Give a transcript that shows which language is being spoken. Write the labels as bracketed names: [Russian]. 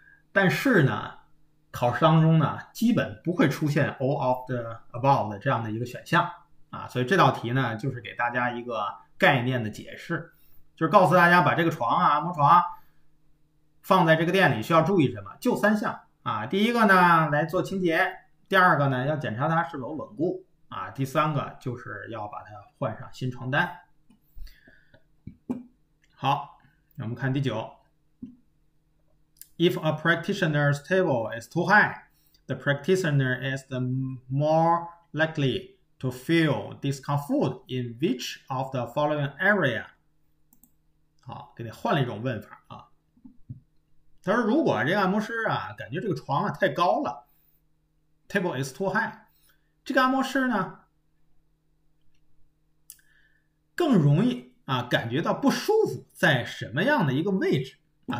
[Chinese] 但是呢，考试当中呢，基本不会出现 [English] all of the above [Chinese] 这样的一个选项啊，所以这道题呢，就是给大家一个概念的解释。就是告诉大家，把这个床啊，按摩床放在这个店里需要注意什么？就三项啊。第一个呢，来做清洁；第二个呢，要检查它是否稳固啊；第三个就是要把它换上新床单。 [English] 好，我们看第九：If a practitioner's table is too high, the practitioner is the more likely to feel discomfort in which of the following area？ [Chinese] 好，给你换了一种问法啊。他说，如果这个按摩师啊，感觉这个床啊太高了， [English] table is too high， [Chinese] 这个按摩师呢，更容易啊感觉到不舒服，在什么样的一个位置啊？